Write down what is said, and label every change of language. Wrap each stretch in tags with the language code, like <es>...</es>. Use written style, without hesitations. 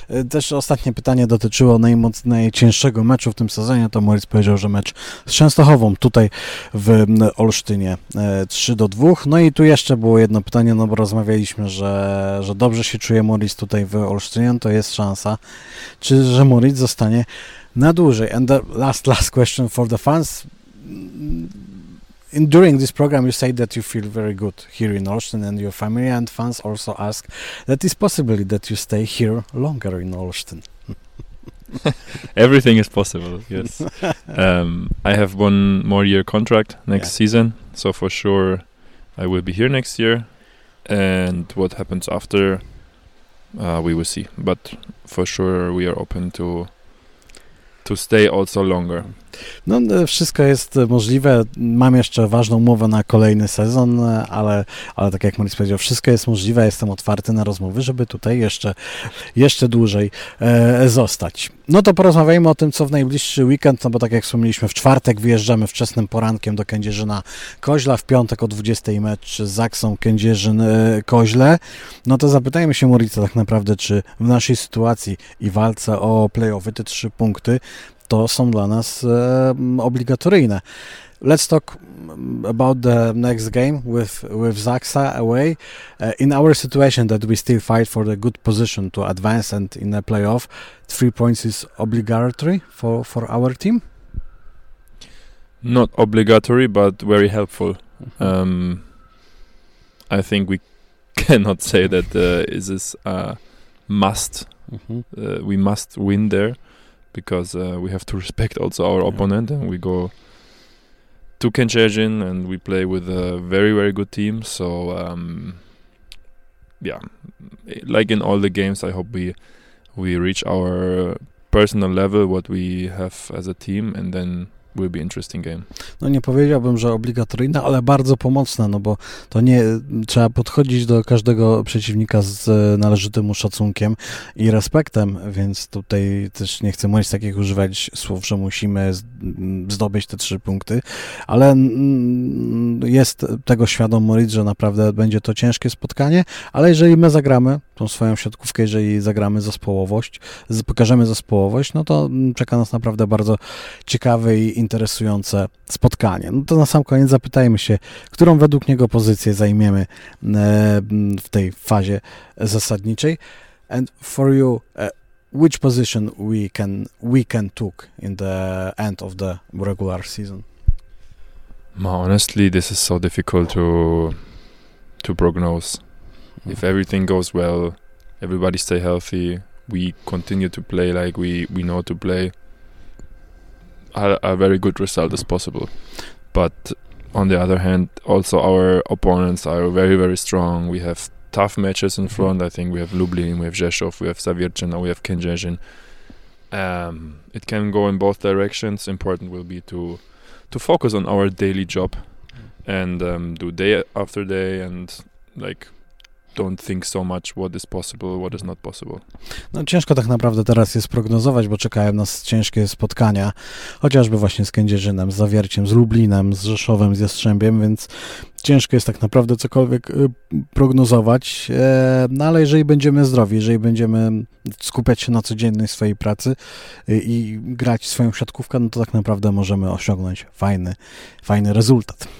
<pl>Też ostatnie pytanie dotyczyło najcięższego meczu w tym sezonie, to Moritz powiedział, że mecz z Częstochową tutaj w Olsztynie 3-2. No i tu jeszcze było jedno pytanie, no bo rozmawialiśmy, że dobrze się czuje Moritz tutaj w Olsztynie, to jest szansa, czy że Moritz zostanie Na dłużej.</pl> <en>And the last question for the fans. During this program, you say that you feel very good here in Olsztyn, and your family and fans also ask that it's possible that you stay here longer in Olsztyn. Everything is possible, yes. I have one more year contract next season, so for sure I will be here next year. And what happens after, we will see. But for sure we are open to stay also longer.</en> <pl>No, wszystko jest możliwe. Mam jeszcze ważną umowę na kolejny sezon, ale tak jak Maurice powiedział, wszystko jest możliwe. Jestem otwarty na rozmowy, żeby tutaj jeszcze dłużej zostać. No to porozmawiajmy o tym, co w najbliższy weekend, no bo tak jak wspomnieliśmy, w czwartek wyjeżdżamy wczesnym porankiem do Kędzierzyna Koźla, w piątek o 20:00 mecz z Zaksą Kędzierzyn Koźle. No to zapytajmy się Maurice'a tak naprawdę, czy w naszej sytuacji i walce o play-offy te 3 punkty to są dla nas obligatoryjne.</pl> <en>Let's talk about the next game with Zaxa away. In our situation that we still fight for the good position to advance and in a playoff, 3 points is obligatory for our team? Not obligatory, but very helpful. I think we cannot say that is this a must. We must win there. Because we have to respect also our opponent, and we go to Kędzierzyn and we play with a very, very good team. So, like in all the games, I hope we reach our personal level, what we have as a team, and then will be interesting game.</en> <pl>No nie powiedziałbym, że obligatoryjne, ale bardzo pomocne, no bo to nie trzeba podchodzić do każdego przeciwnika z należytym szacunkiem i respektem, więc tutaj też nie chcę mówić takich używać słów, że musimy zdobyć te 3 punkty, ale jest tego świadomość, że naprawdę będzie to ciężkie spotkanie, ale jeżeli my zagramy tą swoją środkówkę, jeżeli zagramy zespołowość, pokażemy zespołowość, no to czeka nas naprawdę bardzo ciekawy i interesujące spotkanie. No to na sam koniec zapytajmy się, którą według niego pozycję zajmiemy w tej fazie zasadniczej.</pl> <en>And for you, which position we can took in the end of the regular season? Honestly, this is so difficult to prognose. If everything goes well, everybody stay healthy, we continue to play like we know to play, a very good result is possible. But on the other hand, also our opponents are very, very strong. We have tough matches in front. I think we have Lublin, we have Rzeszów, we have Zawierczyn, we have Kędzierzyn. It can go in both directions. Important will be to focus on our daily job and do day after day and like don't think so much what is possible, what is not possible.</en> <pl>No ciężko tak naprawdę teraz jest prognozować, bo czekają nas ciężkie spotkania, chociażby właśnie z Kędzierzynem, z Zawierciem, z Lublinem, z Rzeszowem, z Jastrzębiem, więc ciężko jest tak naprawdę cokolwiek prognozować, no ale jeżeli będziemy zdrowi, jeżeli będziemy skupiać się na codziennej swojej pracy i grać swoją siatkówkę, no to tak naprawdę możemy osiągnąć fajny rezultat.</pl>